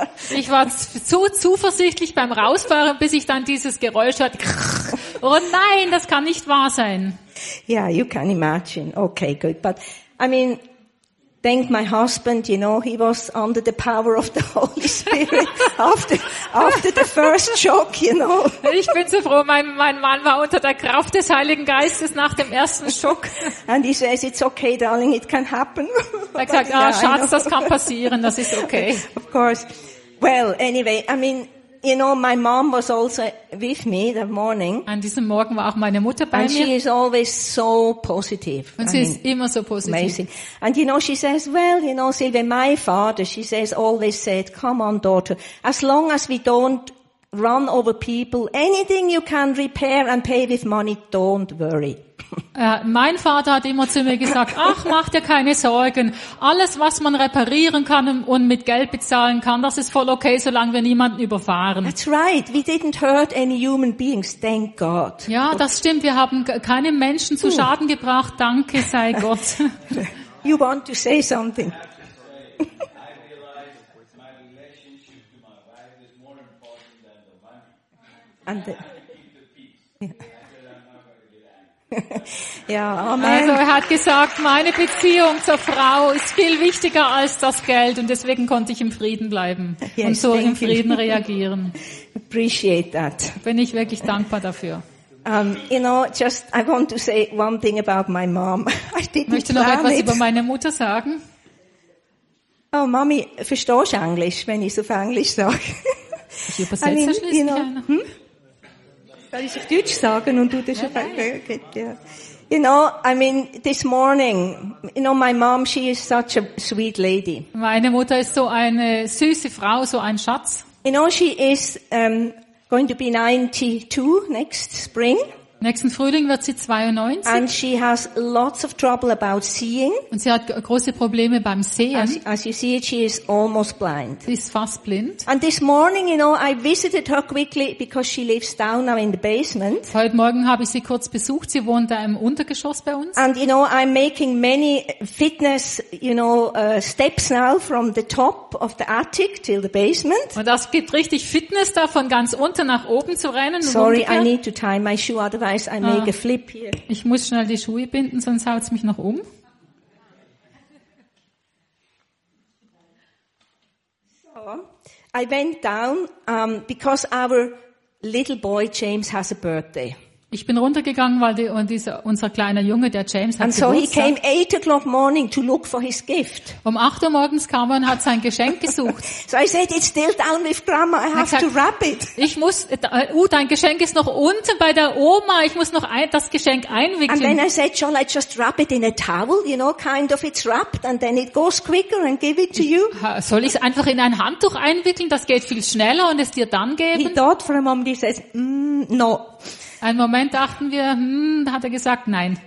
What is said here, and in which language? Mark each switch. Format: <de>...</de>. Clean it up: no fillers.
<de>Ich war so zuversichtlich beim Rausfahren, bis ich dann dieses Geräusch hatte. Oh nein, das kann nicht wahr sein.</de> <en>Yeah, you can imagine. Okay, good. But, I mean, thank my husband, you know, he was under the power of the Holy Spirit after the first shock, you know.</en> <de>Ich bin so froh, mein Mann war unter der Kraft des Heiligen Geistes nach dem ersten Schock.</de> <en>And he says, it's okay, darling, it can happen.</en> <de>Er sagt, ah, Schatz, das kann passieren, das ist okay.</de> <en>Of course. Well, anyway, I mean, you know, my mom was also with me that morning.</en> <de>An diesem Morgen war auch meine Mutter bei mir.</de> <en>And she is always so positive.</en> <de>Und sie ist immer so positiv.</de> <en>Amazing. And you know, she says, well, you know, Sylvie, my father, she says, always said, come on, daughter, as long as we don't run over people, anything you can repair and pay with money, don't worry.</en> <de>Mein Vater hat immer zu mir gesagt, ach, mach dir keine Sorgen. Alles, was man reparieren kann und mit Geld bezahlen kann, das ist voll okay, solange wir niemanden überfahren.</de> <en>That's right. We didn't hurt any human beings, thank God.</en> <de>Ja, das stimmt. Wir haben keine Menschen zu Schaden gebracht. Danke sei Gott.</de> <en>You want to say something? And the, yeah. Yeah, amen.</en> <de>Also er hat gesagt, meine Beziehung zur Frau ist viel wichtiger als das Geld und deswegen konnte ich im Frieden bleiben und so im Frieden reagieren.</de> <en>Appreciate that.</en> <de>Bin ich wirklich dankbar dafür.</de> <en>You know, just I want to say one thing about my mom. I didn't</en> <de>möchte noch etwas über meine Mutter sagen. Oh, Mami, verstehst du Englisch, wenn ich es auf Englisch sage? Ich übersetze es schließlich gerne. Soll ich auf Deutsch sagen und du das schon verstehst?</de> <en>You know, I mean, this morning, you know, my mom, she is such a sweet lady.</en> <de>Meine Mutter ist so eine süße Frau, so ein Schatz.</de> <en>You know, she is going to be 92 next spring.</en> <de>Nächsten Frühling wird sie 92.</de> <en>And she has lots of trouble about seeing.</en> <de>Und sie hat große Probleme beim Sehen.</de> <en>As you see, she is almost blind.</en> <de>Sie ist fast blind.</de> <en>And this morning, you know, I visited her quickly because she lives down now in the basement.</en> <de>Heute Morgen habe ich sie kurz besucht. Sie wohnt da im Untergeschoss bei uns.</de> <en>And you know, I'm making many fitness, you know, steps now from the top of the attic till the basement.</en> <de>Und das gibt richtig Fitness da, von ganz unten nach oben zu rennen.</de> <en>Sorry, I need to tie my shoe out. I make a flip here.</en> <de>Ich muss schnell die Schuhe binden, sonst haut es mich noch um.</de> <en>So, I went down because our little boy James has a birthday.</en> <de>Ich bin runtergegangen, weil unser kleiner Junge, der James, hat Geburtstag.</de> <en>And so he came 8 o'clock morning to look for his gift.</en> <de>Um 8 Uhr morgens kam er und hat sein Geschenk gesucht.</de> <en>So I said, it's still down with Grandma. I have to wrap it.</en> <de>Ich muss, dein Geschenk ist noch unten bei der Oma. Ich muss noch das Geschenk einwickeln.</de> <en>And then I said, shall I just wrap it in a towel? You know, kind of it's wrapped and then it goes quicker and give it to you.</en> <de>Soll ich es einfach in ein Handtuch einwickeln? Das geht viel schneller und es dir dann geben?</de> <en>He thought for a moment, he says, no.</en> <de>Einen Moment dachten wir, hat er gesagt, nein.</de>